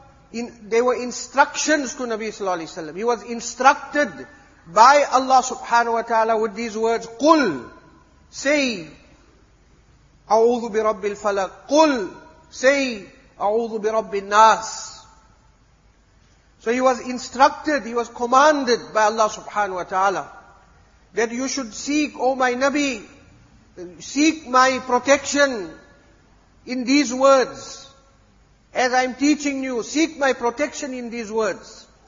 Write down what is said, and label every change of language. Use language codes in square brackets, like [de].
[en] They were instructions to Nabi sallallahu alaihi wasallam. He was instructed by Allah subhanahu wa ta'ala with these words, [ar] قُلْ. [en] Say, [ar] أَعُوذُ بِرَبِّ الْفَلَقِ. قُلْ. [en] Say, [ar] أَعُوذُ بِرَبِّ النَّاسِ. [en] So he was instructed, he was commanded by Allah subhanahu wa ta'ala that you should seek, O my Nabi, seek my protection in these words. As I'm teaching you, seek my protection in these words.